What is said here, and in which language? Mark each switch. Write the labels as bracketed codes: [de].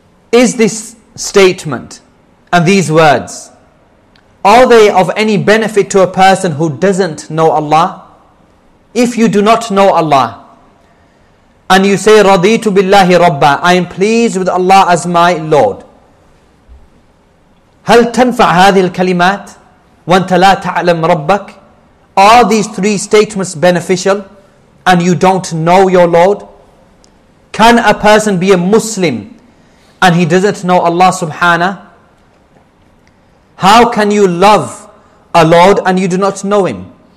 [en] Is this statement and these words, are they of any benefit to a person who doesn't know Allah? If you do not know Allah, and you say, [ar] Raditu billahi rabba, [en] I am pleased with Allah as my Lord. [ar] هل تنفع هذه الكلمات وانت لا تعلم ربك? [en] Are these three statements beneficial and you don't know your Lord? Can a person be a Muslim and he doesn't know Allah subhanahu? How can you love a Lord and you do not know Him?